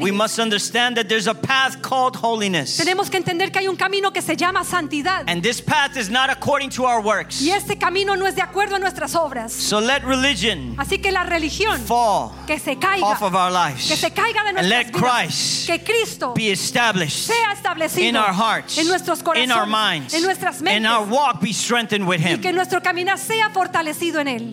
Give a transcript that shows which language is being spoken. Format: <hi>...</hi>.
<en>we must understand that there's a path called holiness.</en> <es>Tenemos que entender que hay un camino que se llama santidad.</es> <en>And this path is not according to our works.</en> <es>Y este camino no es de acuerdo a nuestras obras.</es> <en>So let religion,</en> <es>así que la religión,</es> <en>fall,</en> <es>que se caiga,</es> <en>off of our lives,</en> <es>que se caiga de nuestras</es> <en>let</en> <es>vidas,</es> <en>Christ,</en> <es>que Cristo,</es> <en>be established,</en> <es>sea establecido,</es> <en>in our hearts,</en> <es>en nuestros corazones,</es> <en>in our minds,</en> <es>en nuestras mentes,</es> <en>and our walk be strengthened with Him,</en> <es>y que nuestro caminar sea fortalecido en él.</es>